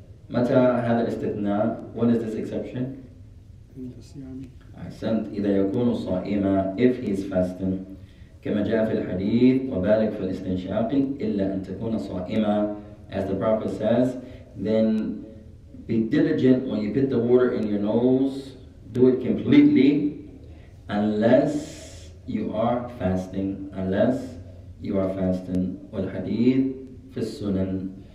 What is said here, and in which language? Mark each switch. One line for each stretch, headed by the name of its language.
Arabic: متى هذا الاستثناء؟
English: What is this exception?
Arabic: أحسنت. إذا يكون صائما.
English: If he is fasting.
Arabic: كما جاء في الحديث وبالغ في الاستنشاق إلا أن تكون صائما.
English: As the Prophet says, then be diligent when you put the water in your nose. Do it completely unless you are fasting. Unless you are fasting.
Arabic: والحديث في السنن.